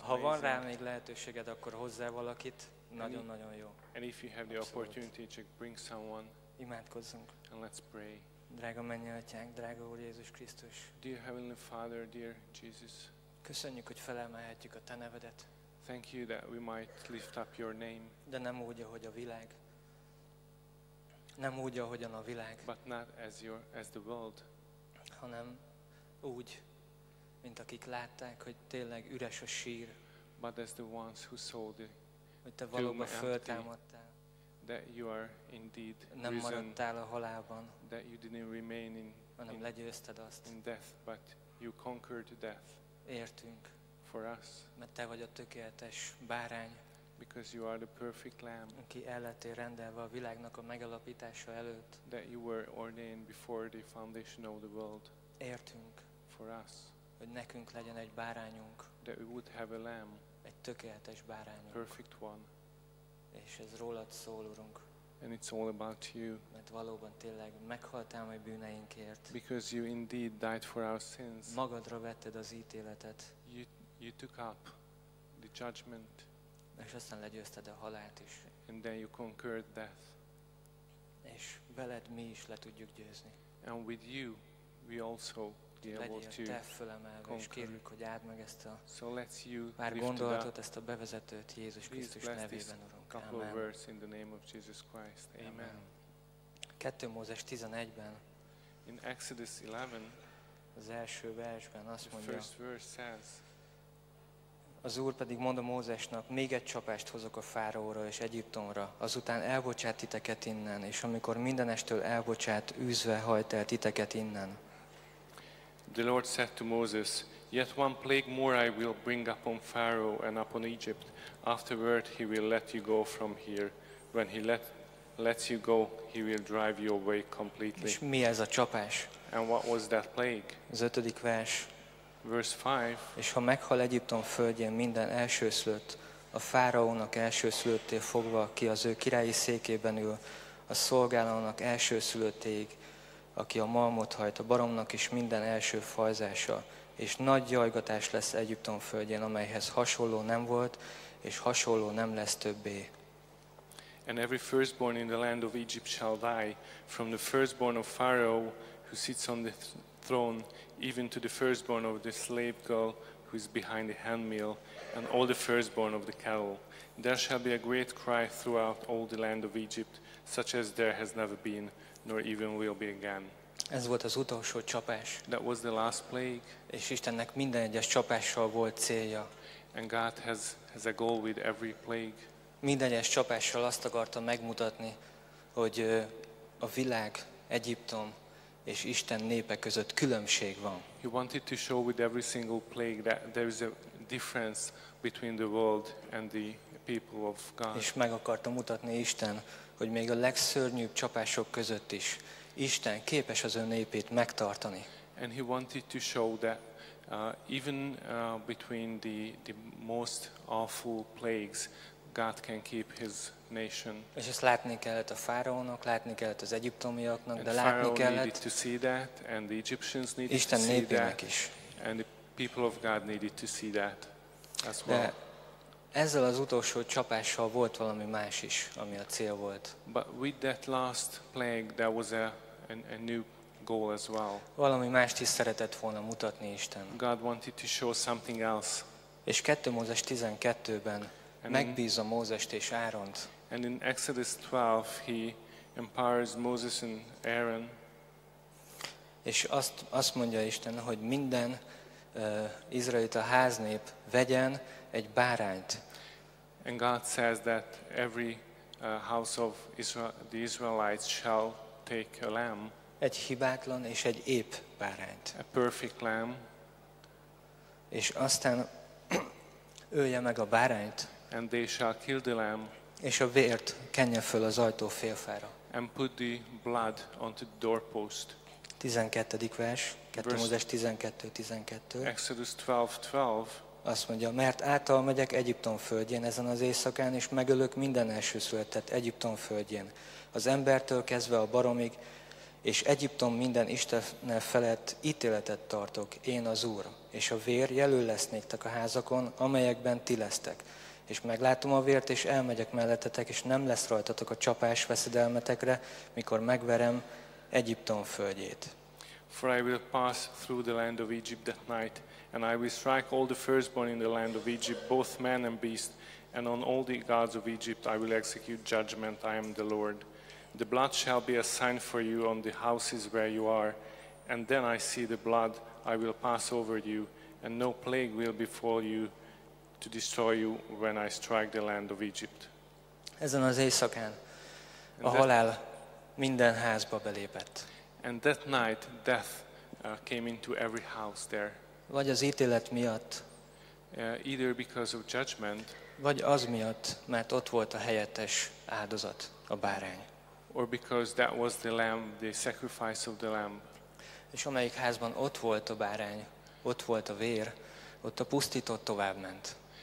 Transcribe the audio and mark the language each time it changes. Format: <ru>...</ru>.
<hu>ha van rá még lehetőséged, akkor hozzál valakit, nagyon-nagyon jó.</hu> <en>And if you have the opportunity, just bring someone.</en> <hu>Imádkozzunk.</hu> <en>And let's pray.</en> <hu>Drága mennyi atyánk, drága Úr Jézus Krisztus.</hu> <en>Dear Heavenly Father, dear Jesus.</en> <hu>Köszönjük, hogy felemelhetjük a te nevedet.</hu> <en>Thank you that we might lift up your name.</en> <hu>De nem úgy, ahogy a világ. Nem úgy, ahogyan a világ.</hu> <en>But not as the world.</en> <hu>Hanem úgy, mint akik látták, hogy tényleg üres a sír.</hu> <en>But as the ones who saw the</en> <hu>hogy te valóban föltámadtál.</hu> <en>That you are indeed</en> <hu>nem maradtál a halálban.</hu> <en>That you didn't remain in,</en> <hu>hanem legyőzted azt.</hu> <en>In death, but you conquered death.</en> <hu>Értünk.</hu> <en>For us.</en> <hu>Mert te vagy a tökéletes bárány.</hu> <en>Because you are the perfect lamb.</en> <hu>Aki el lettél rendelve a világnak a megalapítása előtt.</hu> <en>That you were ordained before the foundation of the world.</en> <hu>Értünk.</hu> <en>For us.</en> <hu>Hogy nekünk legyen egy bárányunk.</hu> <en>That we would have a lamb.</en> <hu>Egy tökéletes bárányunk.</hu> <en>Perfect one.</en> <hu>És ez rólad szól, Urunk.</hu> <en>And it's all about you.</en> <hu>Mert valóban tényleg meghaltál a bűneinkért.</hu> <en>Because you indeed died for our sins.</en> <hu>Magadra vetted az ítéletet.</hu> <en>You took up the judgment.</en> <hu>És aztán legyőzted a halált is.</hu> <en>And then you conquered death.</en> <hu>És veled mi is le tudjuk győzni.</hu> <en>And with you, we also be able</en> <hu>legyél</hu> <en>to</en> <hu>te fölemelve,</hu> <en>conquer.</en> <hu>És kérjük, hogy áld meg ezt a</hu> <en>so let's you</en> <hu>pár gondolatot, ezt a bevezetőt Jézus Krisztus nevében, Urunk.</hu> <en>Couple</en> <hu>Amen.</hu> <en>Of words in the name of Jesus Christ. Amen. Amen.</en> <hu>2 Mózes 11-ben</hu> <en>in Exodus 11,</en> <hu>az első versben azt mondja,</hu> <en>the first verse says,</en> <hu>az Úr pedig mond a Mózesnak, még egy csapást hozok a fáraóra és Egyiptomra, azután elbocsát titeket innen, és amikor mindenestől elbocsát, űzve hajt el titeket innen.</hu> <en>The Lord said to Moses, yet one plague more I will bring upon Pharaoh and upon Egypt. Afterward he will let you go from here. When he lets you go, he will drive you away completely.</en> <hu>És mi ez a csapás?</hu> <en>And what was that plague?</en> <hu>Az ötödik vers.</hu> <en>Verse 5.</en> <hu>És ha meghal Egyiptom földjén minden elsőszülött, a fáraónak elsőszülöttél fogva, aki az ő királyi székében ül, a szolgálónak elsőszülöttéig, aki a malmot hajt, a baromnak is minden első fajzása, és nagy jajgatás lesz Egyiptom földjén, amelyhez hasonló nem volt, és hasonló nem lesz többé.</hu> <en>And every firstborn in the land of Egypt shall die, from the firstborn of Pharaoh who sits on the throne, even to the firstborn of the slave girl who is behind the handmill, and all the firstborn of the cattle. There shall be a great cry throughout all the land of Egypt, such as there has never been, nor even will be again.</en> <hu>Ez volt az utolsó csapás.</hu> <en>That was the last plague.</en> <hu>És Istennek minden egyes csapással volt célja.</hu> <en>And God has a goal with every plague.</en> <hu>Minden egyes csapással azt akarta megmutatni, hogy a világ, Egyiptom és Isten népe között különbség van.</hu> <en>He wanted to show with every single plague that there is a difference between the world and the people of God.</en> <hu>És meg akarta mutatni Isten, hogy még a legszörnyűbb csapások között is Isten képes az ő népét megtartani.</hu> <en>And he wanted to show that even between the most awful plagues, God can keep his nation.</en> <hu>És ezt látni kellett a fáraónak, látni kellett az egyiptomiaknak, de látni kellett</hu> <en>to see that, and the Egyptians needed</en> <hu>Isten népének is.</hu> <en>And the people of God needed to see that as well.</en> <hu>De ezzel az utolsó csapással volt valami más is, ami a cél volt.</hu> <en>But with that last plague there was a new goal as well.</en> <hu>Valami mást is szeretett volna mutatni Isten.</hu> <en>God wanted to show something else.</en> <hu>És 2 Mózes 12-ben megbízza Mózest és Áront.</hu> <en>And in Exodus 12 he empowers Moses and Aaron.</en> <hu>És azt mondja Isten, hogy minden izraelita háznép vegyen egy bárányt.</hu> <en>And God says that every house of the Israelites shall take a lamb.</en> <hu>Egy hibátlan és egy épp bárányt.</hu> <en>A perfect lamb.</en> <hu>És aztán ölje meg a bárányt.</hu> <en>And they shall kill the lamb.</en> <hu>és a vért kenje föl az ajtó félfára.</hu> <en>And put the blood onto the doorpost.</en> <hu>12. vers, 2 Mózes 12:12.</hu> <en>Exodus 12:12.</en> <hu>Azt mondja, mert által megyek Egyiptom földjén ezen az éjszakán, és megölök minden elsőszülöttet Egyiptom földjén, az embertől kezdve a baromig, és Egyiptom minden istene felett ítéletet tartok, én az Úr, és a vér jelöl lesz néktek a házakon, amelyekben ti lesztek. És meglátom a vért, és elmegyek mellettetek, és nem lesz rajtatok a csapás veszedelmetekre, mikor megverem Egyiptom földjét.</hu> <en>For I will pass through the land of Egypt that night, and I will strike all the firstborn in the land of Egypt, both man and beast, and on all the gods of Egypt I will execute judgment, I am the Lord. The blood shall be a sign for you on the houses where you are, and then I see the blood, I will pass over you, and no plague will befall you to destroy you when I strike the land of Egypt.</en> <hu>Ezen az éjszakán a halál minden házba belépett.</hu> <en>And that night death came into every house there.</en> <hu>Vagy az ítélet miatt,</hu> <en>either because of judgment,</en> <hu>vagy az miatt, mert ott volt a helyettes áldozat, a bárány.</hu> <en>Or because that was the lamb, the sacrifice of the lamb.</en> <hu>És amelyik házban ott volt a bárány, ott volt a vér, ott a pusztított továbbment.</hu>